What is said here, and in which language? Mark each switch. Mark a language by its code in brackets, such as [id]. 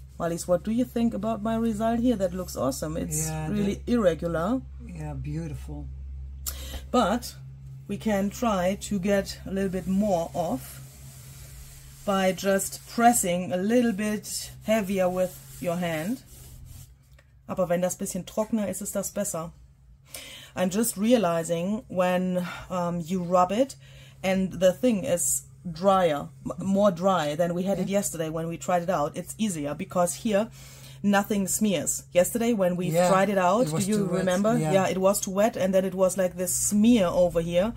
[en] Marlies, what do you think about my result here? That looks awesome. It's really irregular. Yeah, beautiful. But we can try to get a little bit more off by just pressing a little bit heavier with your hand. [de] Aber wenn das bisschen trockener ist, ist das besser. [en] I'm just realizing when you rub it, and the thing is, drier, more dry than we had it yesterday when we tried it out. It's easier because here nothing smears. Yesterday when we tried it out, it do you remember? Yeah, it was too wet and then it was like this smear over here.